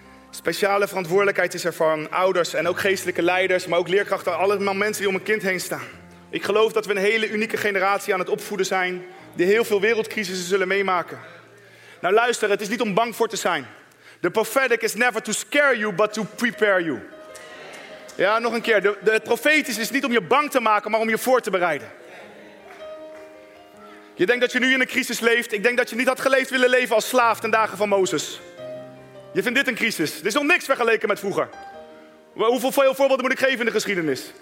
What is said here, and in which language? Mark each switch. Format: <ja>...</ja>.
<nl>Speciale verantwoordelijkheid is er van ouders en ook geestelijke leiders, maar ook leerkrachten, allemaal mensen die om een kind heen staan. Ik geloof dat we een hele unieke generatie aan het opvoeden zijn, die heel veel wereldcrisissen zullen meemaken. Nou luister, het is niet om bang voor te zijn.</nl> <en>The prophetic is never to scare you, but to prepare you.</en> <nl>Ja, nog een keer. Het profetisch is niet om je bang te maken, maar om je voor te bereiden. Je denkt dat je nu in een crisis leeft. Ik denk dat je niet had geleefd willen leven als slaaf ten dagen van Mozes. Je vindt dit een crisis. Dit is nog niks vergeleken met vroeger. Hoeveel voorbeelden moet ik geven in de geschiedenis?</nl>